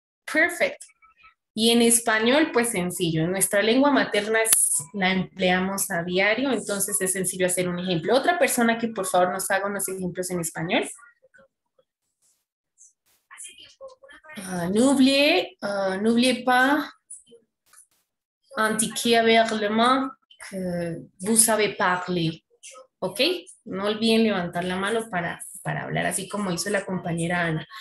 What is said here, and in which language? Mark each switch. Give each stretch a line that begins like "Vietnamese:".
English: Perfect.
Spanish: Y en español, pues sencillo. Nuestra lengua materna la empleamos a diario, entonces es sencillo hacer un ejemplo. ¿Otra persona que por favor nos haga unos ejemplos en español?
French: N'oubliez pas, indiquez avec le main que vous savez parler.
Spanish: ¿Ok? No olviden levantar la mano para hablar, así como hizo la compañera Ana.